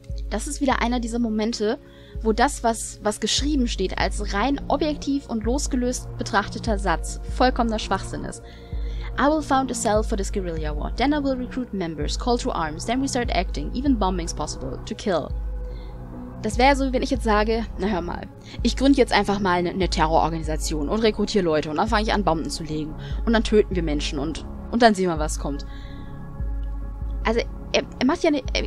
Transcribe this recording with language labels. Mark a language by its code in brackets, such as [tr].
[de] Das ist wieder einer dieser Momente, wo das, was geschrieben steht, als rein objektiv und losgelöst betrachteter Satz vollkommener Schwachsinn ist. [en] I will found a cell for this guerrilla war. Then I will recruit members, call to arms, then we start acting, even bombings possible, to kill. [de] Das wäre so, wenn ich jetzt sage, na hör mal, ich gründe jetzt einfach mal eine Terrororganisation und rekrutiere Leute und dann fange ich an, Bomben zu legen. Und dann töten wir Menschen und dann sehen wir, was kommt. Also, er macht ja eine...